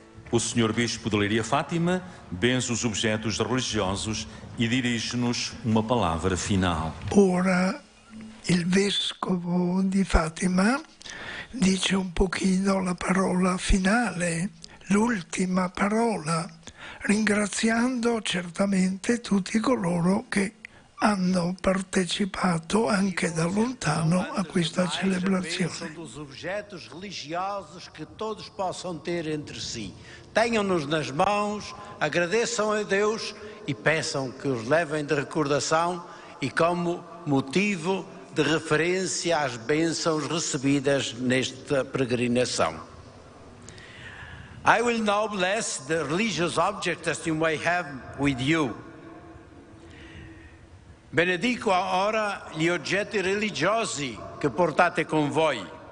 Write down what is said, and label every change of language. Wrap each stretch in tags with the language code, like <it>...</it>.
<pt>O Sr. Bispo de Leiria Fátima benze os objetos religiosos e dirige-nos uma palavra final. Ora, o Vescovo de Fátima diz um pouquinho a palavra final, a última palavra,</pt> <it>ringraziando certamente tutti coloro che hanno partecipato anche da lontano a questa celebrazione.</it> <pt>Benção dos objetos religiosos que todos possam ter entre si. Tenham-nos nas mãos, agradeçam a Deus e peçam que os levem de recordação e como motivo de referência às bênçãos recebidas nesta peregrinação.</pt> <en>I will now bless the religious objects that you may have with you.</en> <it>Benedico ora gli oggetti religiosi che portate con voi.</it>